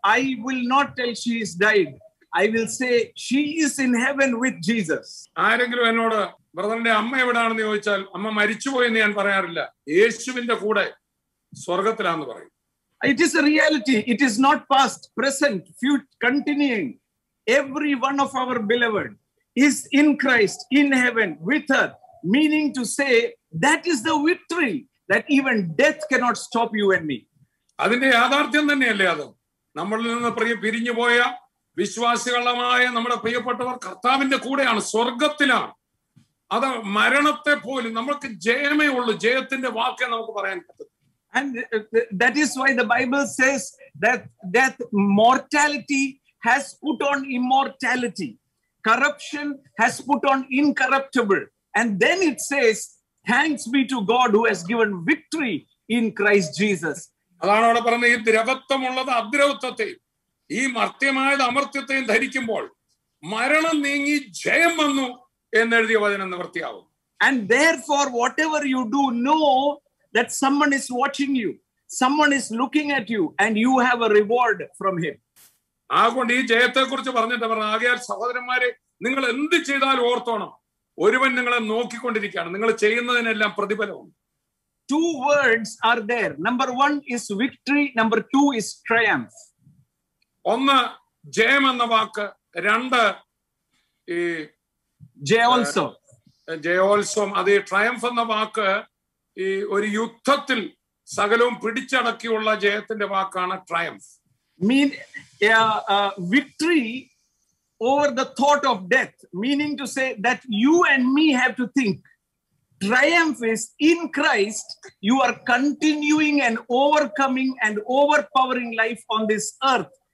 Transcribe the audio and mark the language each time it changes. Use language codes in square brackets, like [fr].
[en] I will not tell she is dead. I will say she is in heaven with Jesus. [ml] ആരെങ്കിലും എന്നോട് ബ്രദറിന്റെ അമ്മ എവിടാണെന്ന് ചോദിച്ചാൽ അമ്മ മരിച്ചുപോയി എന്ന് ഞാൻ പറയാറില്ല, യേശുവിന്റെ കൂടെ സ്വർഗത്തിലാന്ന് പറയും. [en] It is a reality. It is not past, present, future, continuing. Every one of our beloved is in Christ, in heaven, with her. Meaning to say, that is the victory that even death cannot stop you and me. [ml] അതിന്റെ യാഥാർത്ഥ്യം തന്നെയല്ലേ അത്? നമ്മളിൽ നിന്ന് പിരിഞ്ഞു പോയ വിശ്വാസികളായ നമ്മുടെ പ്രിയപ്പെട്ടവർ കർത്താവിന്റെ കൂടെയാണ്, സ്വർഗത്തിലാണ്. അത് മരണത്തെ പോലും നമുക്ക് ജയമേ ഉള്ളൂ, ജയത്തിന്റെ വാക്കേ നമുക്ക് പറയാൻ പറ്റും. [en] And that is why the Bible says that death, mortality has put on immortality, corruption has put on incorruptible, and then it says, thanks be to God who has given victory in Christ Jesus. [ml] അതാണ് അവിടെ പറഞ്ഞത്, ഈ ദ്രവത്വം ഉള്ളത് അദ്രവത്വത്തെയും ഈ മർത്യമായത് അമർത്യത്തെയും ധരിക്കുമ്പോൾ മരണം നീങ്ങി ജയം വന്നു എന്നെഴുതിയ വചനം നിവൃത്തിയാവും. [en] And therefore, whatever you do, know that someone is watching you. Someone is looking at you and you have a reward from him. [ml] അതുകൊണ്ട് ഈ ജയത്തെ കുറിച്ച് പറഞ്ഞിട്ട് പറഞ്ഞു, ആകയാൽ സഹോദരന്മാരെ, നിങ്ങൾ എന്ത് ചെയ്താലും ഓർത്തോണം, ഒരുവൻ നിങ്ങളെ നോക്കിക്കൊണ്ടിരിക്കുകയാണ്, നിങ്ങൾ ചെയ്യുന്നതിനെല്ലാം പ്രതിഫലമാണ്. [en] Two words are there. Number one is victory, number two is triumph. [ml] ഒന്ന് ജയം എന്ന വാക്ക്, രണ്ട് ഈ ജയോത്സവം. അത് ഈ ട്രയംഫ് എന്ന വാക്ക് ഈ ഒരു യുദ്ധത്തിൽ സകലവും പിടിച്ചടക്കിയുള്ള ജയത്തിന്റെ വാക്കാണ് triumph. [en] Mean victory over the thought of death, meaning to say that you and me have to think. Triumph is in Christ, you are continuing and overcoming and overpowering life on this earth.